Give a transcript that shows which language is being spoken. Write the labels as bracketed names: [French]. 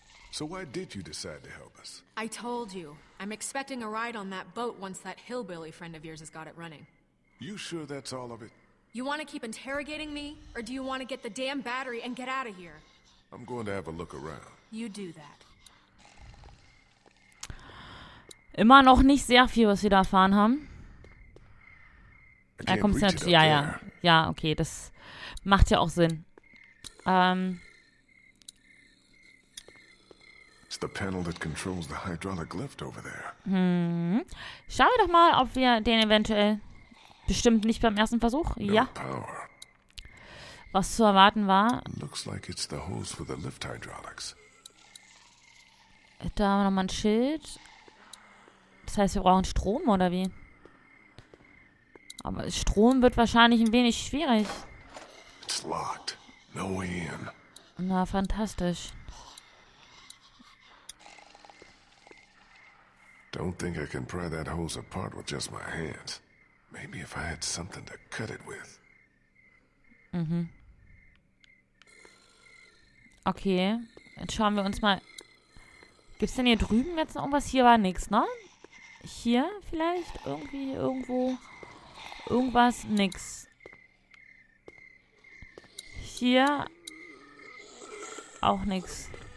[English] So why did you decide to help us? I told you. I'm expecting a ride on that boat once that hillbilly friend of yours has got it running. You sure that's all of it? You want to keep interrogating me, or do you want to get the damn battery and get out of here? I'm going to have a look around. You do that. [German] Immer noch nicht sehr viel, was wir da erfahren haben. Er kommt ja, ja, ja. Ja, okay, das macht ja auch Sinn. [English] It's the panel that controls the hydraulic lift over there. [German] Schauen wir doch mal, ob wir den eventuell... Bestimmt nicht beim ersten Versuch? Ja. Was zu erwarten war. [English] Looks like it's the hose for the lift hydraulics. [German] Da haben wir nochmal ein Schild. Das heißt, wir brauchen Strom, oder wie? Aber Strom wird wahrscheinlich ein wenig schwierig. [English] It's locked. No way in. [German] Na, fantastisch. [English] Don't think I can pry that hose apart with just my hands. Maybe if I had something to cut it with. Mhm. Okay. [German] Jetzt schauen wir uns mal. Gibt's denn hier drüben jetzt noch irgendwas? Hier war nichts, ne? Hier vielleicht? Irgendwie, irgendwo. Irgendwas? Nix. Hier. Auch nix.